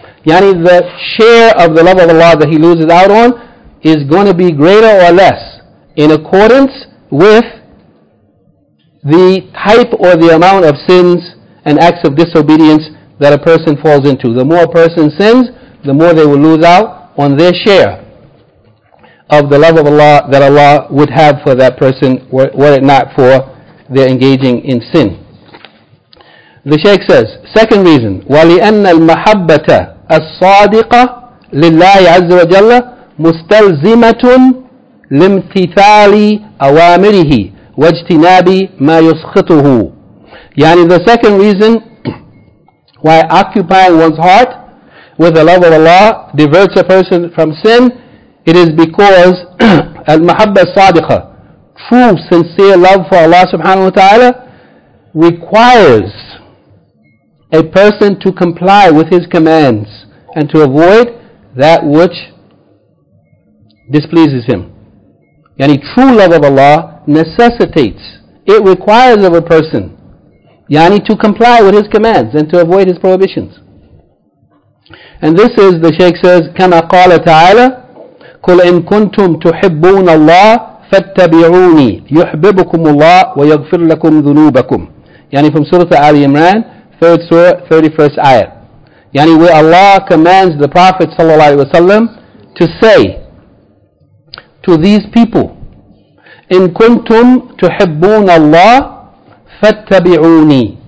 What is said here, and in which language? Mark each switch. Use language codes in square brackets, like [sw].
[en] Yani the share of the love of Allah that he loses out on is going to be greater or less in accordance with the type or the amount of sins and acts of disobedience that a person falls into. The more a person sins, the more they will lose out on their share of the love of Allah that Allah would have for that person were it not for their engaging in sin. The Shaykh says, second reason, [ar] وَلِأَنَّ الْمَحَبَّةَ الصَّادِقَةَ لِلَّهِ عَزَّ وَجَلَّ مُسْتَلْزِمَةٌ لِامْتِثَالِ أَوَامِرِهِ وَاجْتِنَابِ مَا يُسْخِطُهُ. [en] Yani the second reason why occupying one's heart with the love of Allah diverts a person from sin, it is because al-mahabba sadiqa, true sincere love for Allah subhanahu wa ta'ala, requires a person to comply with his commands and to avoid that which displeases him. Yani true love of Allah necessitates, it requires of a person, yani to comply with his commands and to avoid his prohibitions. And this is, the Shaykh says, [ar] كَمَا قَالَ تَعَالَى قُلْ إِن كُنْتُمْ تُحِبُّونَ اللَّهِ فَاتَّبِعُونِي يُحْبِبُكُمُ اللَّهِ وَيَغْفِرْ لَكُمْ ذُنُوبَكُمْ. [en] Yani from Surah Ali Imran, 3rd Surah, 31st Ayah. Yani where Allah commands the Prophet ﷺ to say to these people, [ar] إِن كُنْتُمْ تُحِبُّونَ اللَّهِ فَاتَّبِعُونِي.